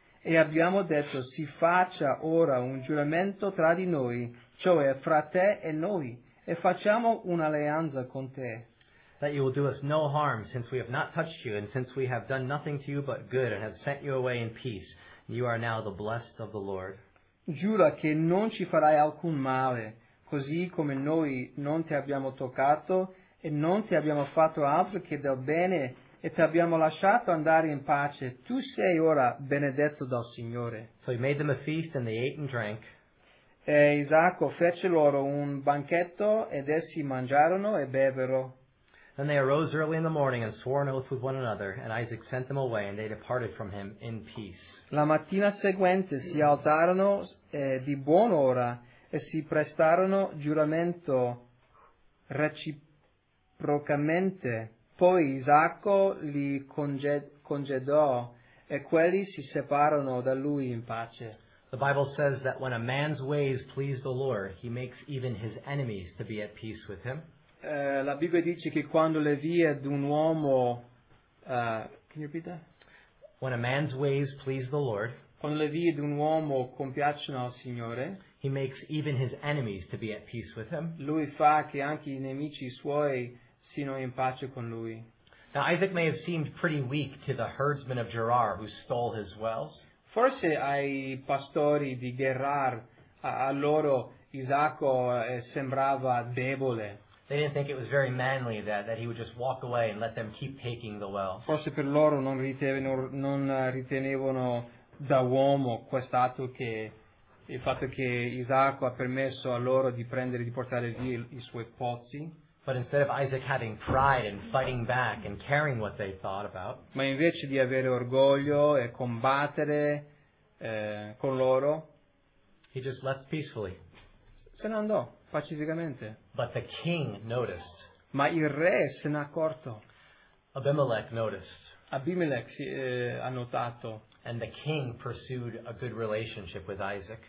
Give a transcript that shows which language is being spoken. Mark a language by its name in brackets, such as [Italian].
[Italian] E abbiamo detto, si faccia ora un giuramento tra di noi, cioè fra te e noi, e facciamo un'alleanza con te. [English] That you will do us no harm, since we have not touched you, and since we have done nothing to you but good, and have sent you away in peace. You are now the blessed of the Lord. [Italian] Giura che non ci farai alcun male, così come noi non ti abbiamo toccato e non ti abbiamo fatto altro che del bene e ti abbiamo lasciato andare in pace. Tu sei ora benedetto dal Signore. [English] So he made them a feast and they ate and drank. [Italian] E Isacco fece loro un banchetto ed essi mangiarono e bevero. [English] Then they arose early in the morning and swore an oath with one another, and Isaac sent them away, and they departed from him in peace. [Italian] La mattina seguente si alzarono di buon'ora e si prestarono giuramento reciprocamente. Poi Isacco li congedò e quelli si separarono da lui in pace. [English] The Bible says that when a man's ways please the Lord, he makes even his enemies to be at peace with him. [Italian] La Bibbia dice che quando le vie d'un uomo [English] can you repeat that? When a man's ways please the Lord, [Italian] quando le vie d'un uomo compiacciono al Signore, [English] he makes even his enemies to be at peace with him. [Italian] Lui fa che anche i nemici suoi siano in pace con lui. [English] Now Isaac may have seemed pretty weak to the herdsmen of Gerar who stole his wells. [Italian] Forse ai pastori di Gerar a loro Isacco sembrava debole. [English] They didn't think it was very manly that he would just walk away and let them keep taking the well. [Italian] Forse per loro non ritenevano da uomo quest'atto che il fatto che Isacco ha permesso a loro di prendere di portare via i suoi pozzi. [English] But instead of Isaac having pride and fighting back and caring what they thought about, [Italian] ma invece di avere orgoglio e combattere con loro, [English] he just left peacefully. [Italian] Se ne andò. Pacificamente. [English] But the king noticed. [Italian] Ma il re se n'è accorto. [English] Abimelech noticed. [Italian] Abimelech ha notato. [English] And the king pursued a good relationship with Isaac.